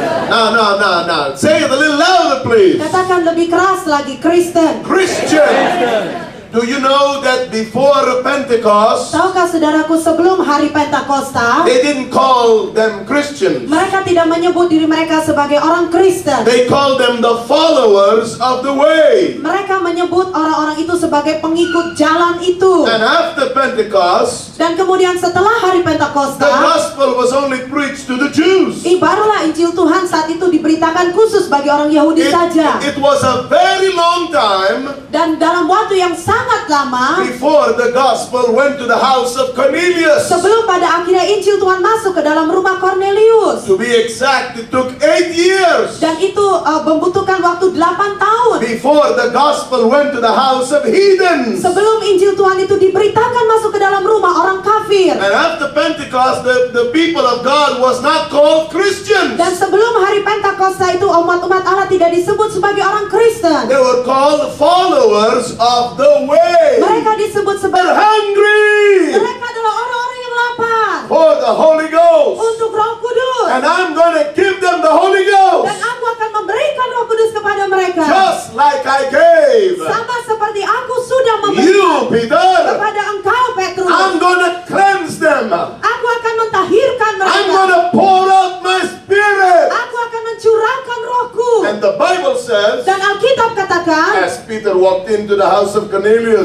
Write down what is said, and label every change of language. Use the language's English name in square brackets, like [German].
[English] No. Say it a little louder, please. [Indonesian] Katakan lebih keras lagi, Kristen. [English] Christian. Do you know that before Pentecost? [Indonesian] Tahukah saudaraku sebelum hari Pentakosta? [English] They didn't call them Christians. [Indonesian] Mereka tidak menyebut diri mereka sebagai orang Kristen. [English] They called them the followers of the way. [Indonesian] Mereka menyebut orang-orang itu sebagai pengikut jalan itu. [English] And after Pentecost? [Indonesian] Dan kemudian setelah hari Pentakosta? [English] The gospel was only preached to the Jews. [Indonesian] Ibaratlah Injil Tuhan saat itu diberitakan khusus bagi orang Yahudi saja. [English] It was a very long time. [Indonesian] Dan dalam waktu yang sangat lama, [English] before the gospel went to the house of Cornelius. [Indonesian] Sebelum pada akhirnya Injil Tuhan masuk ke dalam rumah Cornelius. [English] To be exact, it took 8 years. [Indonesian] Dan itu membutuhkan waktu 8 tahun. [English] Before the gospel went to the house of heathens. [Indonesian] Sebelum Injil Tuhan itu diberitakan masuk ke dalam rumah orang kafir. [English] And after Pentecost, the people of God was not called Christians. [Indonesian] Dan sebelum hari Pentakosta itu umat-umat Allah tidak disebut sebagai orang Kristen. [English] They were called followers of the way. [Indonesian] Mereka disebut sebagai, [English] they're hungry. [Indonesian] Mereka adalah orang-orang yang lapar. [English] For the Holy Ghost. [Indonesian] Untuk Roh Kudus. [English] And I'm going to give them the Holy Ghost. [Indonesian] Dan aku akan memberikan Roh Kudus kepada mereka. [English] Just like I gave. [Indonesian] Sama seperti aku sudah memberikan. [English] You, Peter. [Indonesian] Kepada engkau, Petrus. [English] I'm going to cleanse them. [Indonesian] Aku akan mentahirkan mereka. [English] I'm going to pour out my spirit. [Indonesian] Aku akan mencurahkan Rohku. [English] And the Bible says. [Indonesian] Dan Alkitab katakan. [English] As Peter walked into the house of Cornelius.